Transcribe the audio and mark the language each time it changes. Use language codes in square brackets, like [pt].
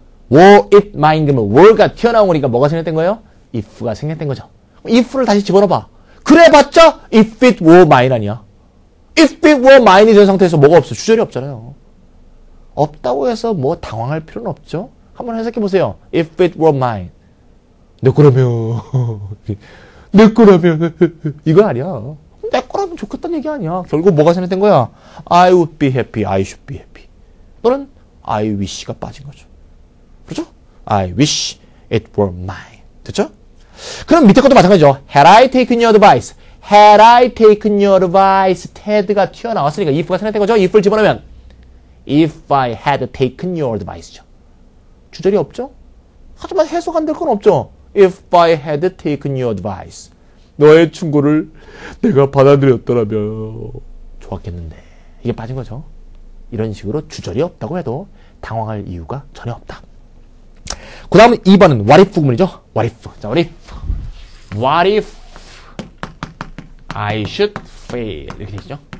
[en] Were it mine [ko] 그러면 were가 튀어나온 거니까 뭐가 생략된 거예요? if가 생략된 거죠. if를 다시 집어넣어봐. 그래봤자 [en] if it were mine [ko] 아니야. [en] if it were mine [ko] 이 된 상태에서 뭐가 없어? 주절이 없잖아요. 없다고 해서 뭐 당황할 필요는 없죠. 한번 해석해보세요. [en] if it were mine. [ko] 내 거라면 내 거라면 이거 아니야. 내 거라면 좋겠다는 얘기 아니야. 결국 뭐가 생략된 거야? [en] I would be happy. I should be happy. [ko] 또는 I wish가 빠진 거죠. 그죠? [en] I wish it were mine. [ko] 됐죠? 그럼 밑에 것도 마찬가지죠. [en] Had I taken your advice? Had I taken your advice? [ko] Ted가 튀어나왔으니까 if가 생략된 거죠? if를 집어넣으면 [en] if I had taken your advice [ko] 죠. 주절이 없죠? 하지만 해석 안 될 건 없죠. [en] If I had taken your advice. [ko] 너의 충고를 내가 받아들였더라면 좋았겠는데. 이게 빠진 거죠. 이런 식으로 주절이 없다고 해도 당황할 이유가 전혀 없다. 그 다음 2번은 what if 구문이죠. [en] What if. 자, what if. What if I should fail. [ko] 이렇게 되시죠.